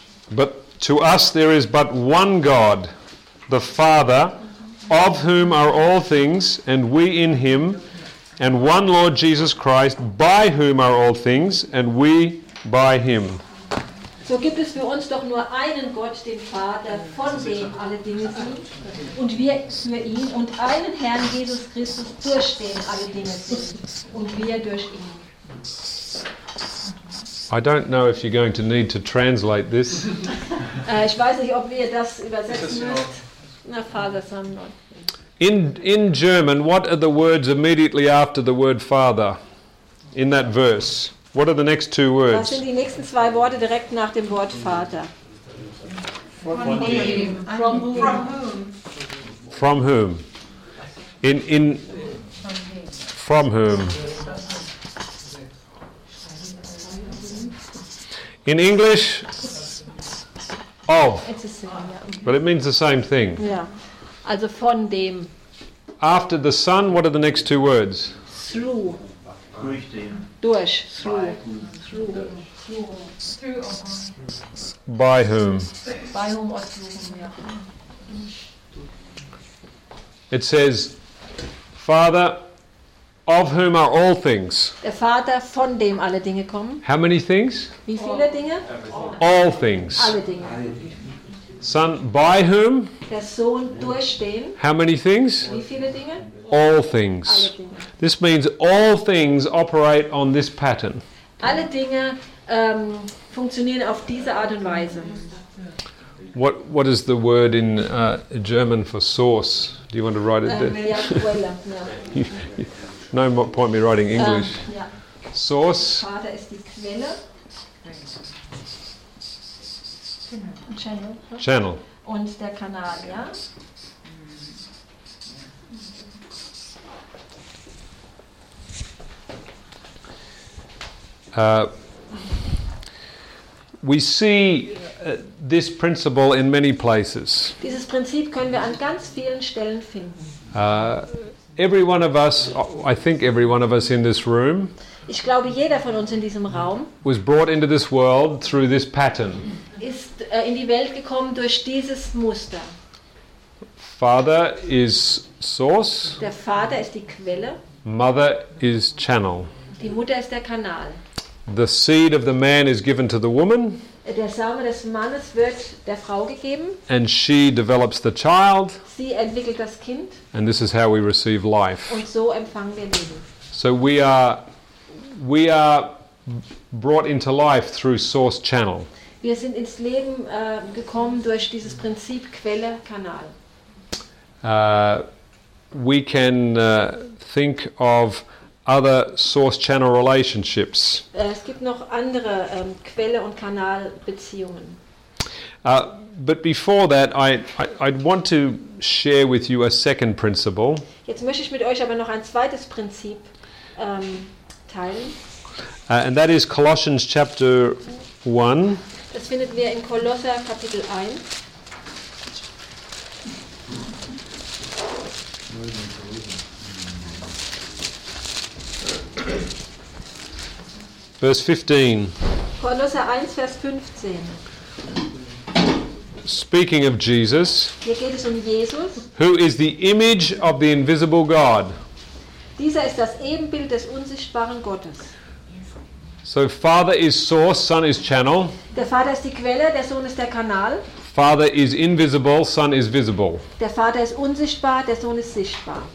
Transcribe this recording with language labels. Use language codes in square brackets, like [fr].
[en] But to us there is but one God, the Father, of whom are all things, and we in him, and one Lord Jesus Christ, by whom are all things, and we by him. [de] So gibt es für uns doch nur einen Gott, den Vater, von dem alle Dinge sind, und wir für ihn, und einen Herrn Jesus Christus, durch den alle Dinge sind, und wir durch ihn. [en] I don't know if you're going to need to translate this. [de] Ich weiß nicht, ob wir das übersetzen müssen. Na, Vater, sondern Gott. [en] In German, what are the words immediately after the word Father in that verse? What are the next two words? [de] Was sind die nächsten zwei Worte direkt nach dem Wort Vater? [en] From whom? In from whom? In English, of. But it means the same thing. [de] Yeah. Also von dem. [en] After the Son, what are the next two words? Through. [de] Durch. [en] Through. By whom? By whom or through whom, ja. It says, Father, of whom are all things? [de] Der Vater, von dem alle Dinge kommen. [en] How many things? [de] Wie viele Dinge? [en] All things. [de] Alle Dinge. [en] Son, by whom? [de] Der Sohn, durch den. [en] How many things? [de] Wie viele Dinge? [en] All things. [de] Alle Dinge. [en] This means all things operate on this pattern. [de] Alle Dinge funktionieren auf diese Art und Weise. [en] What is the word in German for source? Do you want to write it there? [de] Ja, Quelle. [en] No point me writing English. [de] Ja. [en] Source. [de] Vater ist die Quelle. [en] Channel. [de] Und der Kanal, ja. [en] We see this principle in many places. [de] Dieses Prinzip können wir an ganz vielen Stellen finden. [en] Every one of us, I think every one of us in this room, [de] ich glaube, jeder von uns in diesem Raum, [en] was brought into this world through this pattern. [de] Ist in die Welt gekommen durch dieses Muster. [en] Father is source. [de] Der Vater ist die Quelle. [en] Mother is channel. [de] Die Mutter ist der Kanal. [en] The seed of the man is given to the woman. [de] Der Same des Mannes wird der Frau gegeben. [en] And she develops the child. [de] Sie entwickelt das Kind. [en] And this is how we receive life. [de] Und so empfangen wir Leben. [en] So we are brought into life through source channel. [de] Wir sind ins Leben gekommen durch dieses Prinzip Quelle Kanal. [en] We can think of other source channel relationships. [de] Es gibt noch andere Quelle und Kanal Beziehungen. [en] But before that, I'd want to share with you a second principle. [de] Jetzt möchte ich mit euch aber noch ein zweites Prinzip teilen. [en] And that is Colossians chapter 1. [de] Das findet wir in Kolosser Kapitel 1. [en] Verse 15. [de] Kolosser 1, Vers 15. [en] Speaking of Jesus, [de] hier geht es um Jesus, [en] who is the image of the invisible God. [de] Dieser ist das Ebenbild des unsichtbaren Gottes. [en] So Father is source, Son is channel. [de] Der Vater ist die Quelle, der Sohn ist der Kanal. [en] Father is invisible, Son is visible. [de] Der Vater ist unsichtbar, der Sohn ist sichtbar.